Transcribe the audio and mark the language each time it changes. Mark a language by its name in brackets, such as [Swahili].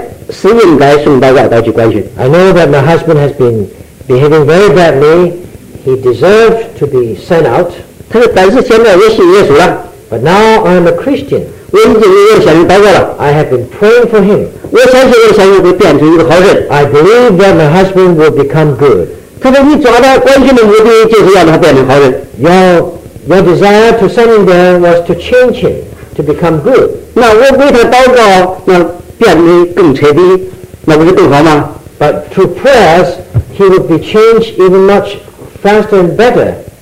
[Chinese] 她说我的先生这么坏，是应该送到外岛去关训。 [English] I know that my husband has been behaving very badly. He deserved to be sent out. [Chinese] 她说但是现在我信耶稣了。 [English] But now I'm a Christian. [Chinese] 我已经为我的先生祷告了。 [English] I have been praying for him. [Chinese] 我相信我的先生会变成一个好人。 [English] I believe that my husband will become good. [Chinese] 她说你抓他关心的目的就是让他变成好人。 [English] Your desire to send him there was to change him. To become good. [Chinese] 那我为他祷告，那变得更彻底，那不是更好吗？ [English] But through prayers, he would be changed even much faster and better.